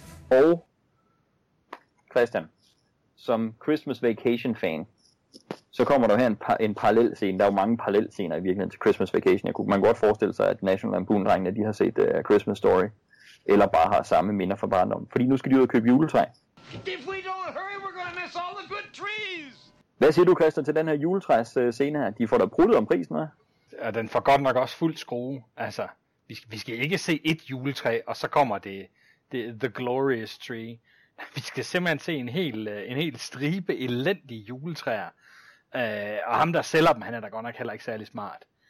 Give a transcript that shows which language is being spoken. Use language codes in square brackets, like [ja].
[da] Og Christian, som Christmas Vacation-fan, så kommer der her en parallel scene. Der er jo mange parallel scener i virkeligheden til Christmas Vacation. Man kan godt forestille sig, at National Lampoon-drengene, de har set Christmas Story, eller bare har samme minder fra barndommen. Fordi nu skal de ud og købe juletræ. [en] If we don't hurry, we're gonna miss all the good trees! [da] Hvad siger du, Christian, til den her juletræs scene her? De får da pruttet om prisen, hva'? Ja, den får godt nok også fuldt skrue. Altså, vi skal ikke se et juletræ, og så kommer det [en] the glorious tree. [da] Vi skal simpelthen se en hel stribe elendige juletræer. Og ham, der sælger dem, han er da godt nok heller ikke særlig smart.